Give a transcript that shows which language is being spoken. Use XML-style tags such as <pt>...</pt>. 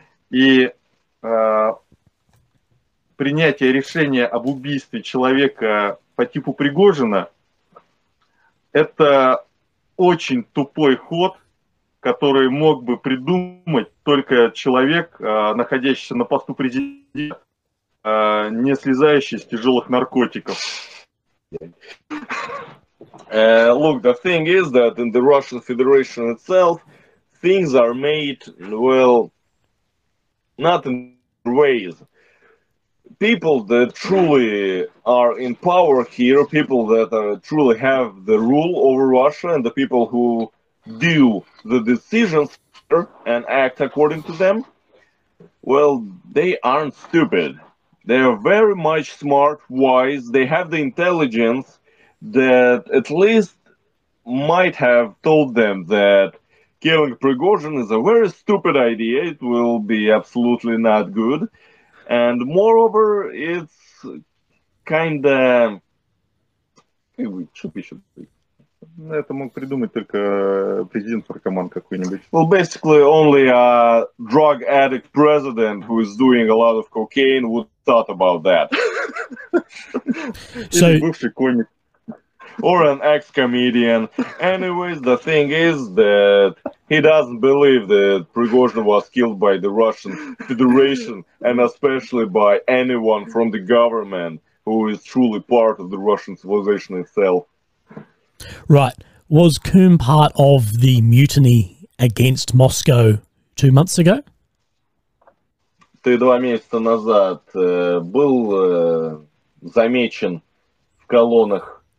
<ru>И принятие решения об убийстве человека по типу Пригожина – это очень тупой ход, который мог бы придумать только человек, находящийся на посту президента, не слезающий с тяжелых наркотиков.</ru> <en>Look, the thing is that in the Russian Federation itself, things are made, well, not in ways. People that truly are in power here, people that truly have the rule over Russia, and the people who do the decisions here and act according to them, well, they aren't stupid. They are very much smart, wise, they have the intelligence that at least might have told them that killing Prigozhin is a very stupid idea, it will be absolutely not good. And moreover, it's kind of...</en> <ru>Это мог придумать только президент наркоман какой-нибудь.</ru> <en>Well, basically, only a drug addict president who is doing a lot of cocaine would thought about that.</en> <ru>So... бывший комик.</ru> <en>Or an ex-comedian. Anyways, the thing is that he doesn't believe that Prigozhin was killed by the Russian Federation, and especially by anyone from the government who is truly part of the Russian civilization itself. Right. Was Coombe part of the mutiny against Moscow 2 months ago?</en> <ru>Ты 2 месяца назад был замечен в колоннах.</ru>